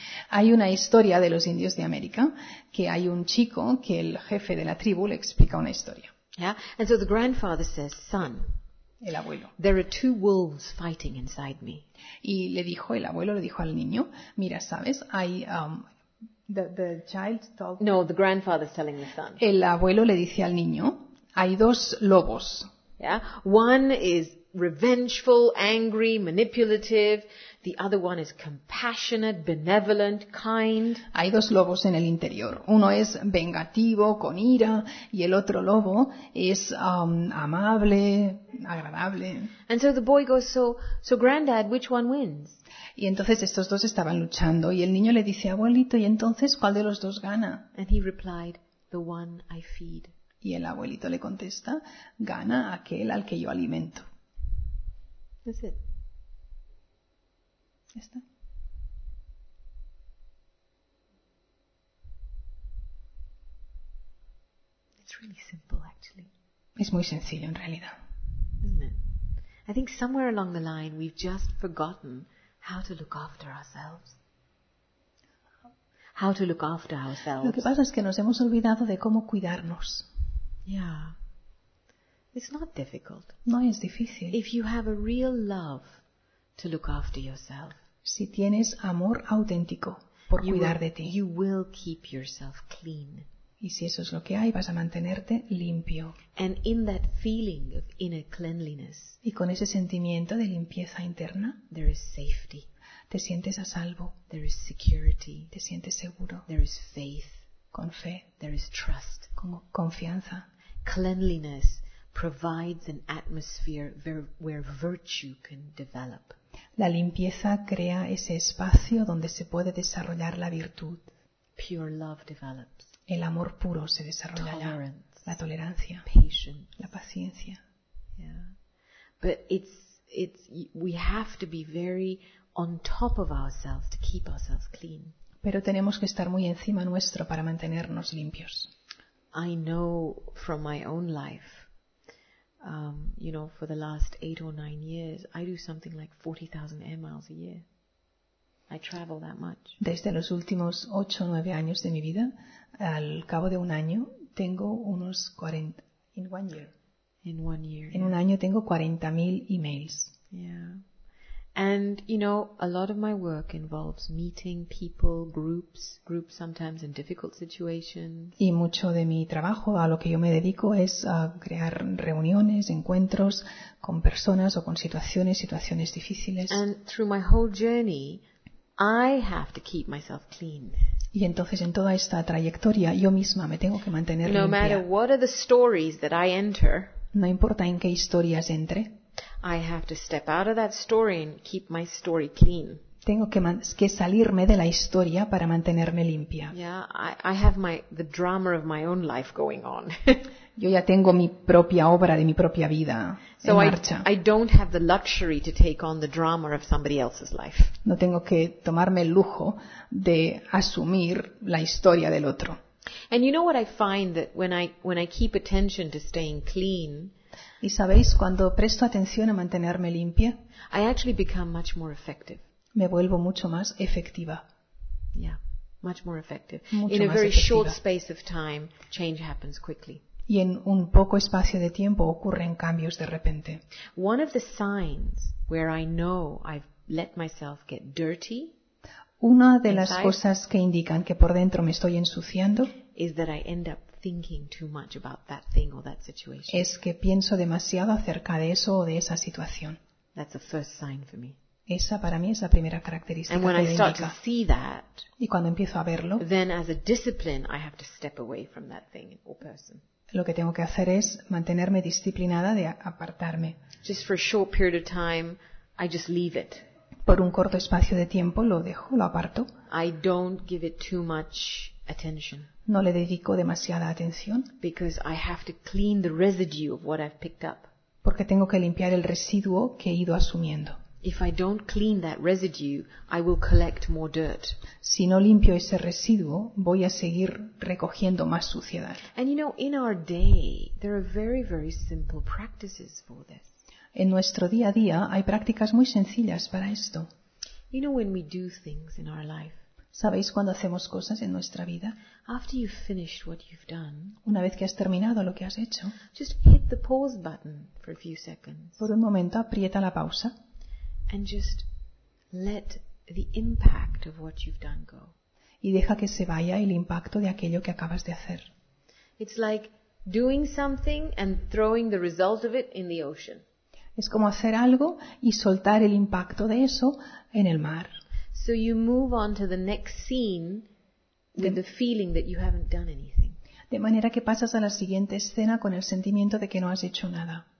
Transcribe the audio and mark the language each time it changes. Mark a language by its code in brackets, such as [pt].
[es] Hay una historia de los indios de América que hay un chico que el jefe de la tribu le explica una historia. [en] Yeah, and so the grandfather says, son, [es] el abuelo, [en] there are two wolves fighting inside me. [es] Y le dijo el abuelo, le dijo al niño, mira, sabes, hay [en] the child told. No, the grandfather's telling the son. [es] El abuelo le dice al niño, hay dos lobos. [en] Yeah, one is revengeful, angry, manipulative. The other one is compassionate, benevolent, kind. [es] Hay dos lobos en el interior. Uno es vengativo, con ira, y el otro lobo es amable, agradable. [en] And so the boy goes, so granddad, which one wins? [es] Y entonces estos dos estaban luchando, y el niño le dice, abuelito, ¿y entonces cuál de los dos gana? [en] And he replied, the one I feed. [es] Y el abuelito le contesta, gana aquel al que yo alimento. [en] That's it. [es] ¿Está? [en] It's really simple, actually. [es] Es muy sencillo, en realidad. [en] Isn't it? I think somewhere along the line we've just forgotten how to look after ourselves. How to look after ourselves. [es] Lo que pasa es que nos hemos olvidado de cómo cuidarnos. [en] Yeah. It's not difficult. [es] No es difícil. [en] If you have a real love to look after yourself, [es] si tienes amor auténtico por cuidar de ti, [en] you will keep yourself clean. [es] Y si eso es lo que hay, vas a mantenerte limpio. [en] And in that feeling of inner cleanliness, [es] y con ese sentimiento de limpieza interna, [en] there is safety. [es] Te sientes a salvo. [en] There is security. [es] Te sientes seguro. [en] There is faith. [es] Con fe. [en] There is trust. [es] Con confianza. [en] Cleanliness provides an atmosphere where virtue can develop. [es] La limpieza crea ese espacio donde se puede desarrollar la virtud. [en] Pure love develops. [es] El amor puro se desarrolla. [en] Tolerance. [es] La tolerancia. [en] Patience. [es] La paciencia. [en] Yeah. But it's we have to be very on top of ourselves to keep ourselves clean. [es] Pero tenemos que estar muy encima nuestro para mantenernos limpios. [en] I know from my own life, you know, for the last 8 or 9 years, I do something like 40,000 air miles a year. I travel that much. [es] Desde los últimos 8 o 9 años de mi vida, al cabo de un año, tengo unos 40. [en] In 1 year. In 1 year. [es] En un año tengo 40,000 emails. [en] Yeah. And you know, a lot of my work involves meeting people, groups sometimes in difficult situations. [es] Y mucho de mi trabajo, a lo que yo me dedico, es a crear reuniones, encuentros con personas o con situaciones difíciles. [en] And through my whole journey, I have to keep myself clean. [es] Y entonces en toda esta trayectoria, yo misma me tengo que mantener limpia. [en] No matter what are the stories that I enter. [es] No importa en qué historias entre. [en] I have to step out of that story and keep my story clean. [es] Tengo que salirme de la historia para mantenerme limpia. [en] Yeah, I have the drama of my own life going on. [es] Yo ya tengo mi propia obra de mi propia vida [en] so [es] en marcha. [en] I don't have the luxury to take on the drama of somebody else's life. [es] No tengo que tomarme el lujo de asumir la historia del otro. [en] And you know what I find that when I keep attention to staying clean. [es] Y sabéis, cuando presto atención a mantenerme limpia, [en] I actually become much more effective. [es] Me vuelvo mucho más efectiva. [en] Yeah, much more effective. [es] Mucho [en] in [es] más [en] a very [es] efectiva. [en] Short space of time, change happens quickly. [es] Y en un poco espacio de tiempo ocurren cambios de repente. [en] One of the signs where I know I've let myself get dirty. [es] Una de las cosas que indican que por dentro me estoy ensuciando [en] is that I end up thinking too much about that thing or that situation. [es] Es que pienso demasiado acerca de eso o de esa situación. [en] That's the first sign for me. [es] Esa para mí es la primera característica. [en] And when [es] que [en] I start to see that, [es] y cuando empiezo a verlo, [en] then as a discipline I have to step away from that thing or person. [es] Lo que tengo que hacer es mantenerme disciplinada de apartarme. [en] Just for a short period of time, I just leave it. [es] Por un corto espacio de tiempo lo dejo, lo aparto. [en] I don't give it too much attention. [es] No le dedico demasiada atención. [en] Because I have to clean the residue of what I've picked up. [es] Porque tengo que limpiar el residuo que he ido asumiendo. [en] If I don't clean that residue, I will collect more dirt. [es] Si no limpio ese residuo, voy a seguir recogiendo más suciedad. [en] And you know, in our day, there are very, very simple practices for this. [es] En nuestro día a día hay prácticas muy sencillas para esto. [en] You know, when we do things in our life. [es] ¿Sabéis cuando hacemos cosas en nuestra vida? [en] After you've finished what you've done, [es] una vez que has terminado lo que has hecho, [en] just hit the pause button for a few seconds. [es] Por un momento aprieta la pausa. [en] And just let the impact of what you've done go. [es] Y deja que se vaya el impacto de aquello que acabas de hacer. [en] It's like doing something and throwing the result of it in the ocean. [es] Es como hacer algo y soltar el impacto de eso en el mar. [en] So you move on to the next scene with the feeling that you haven't done anything. [es] De manera que pasas a la siguiente escena con el sentimiento de que no has hecho nada.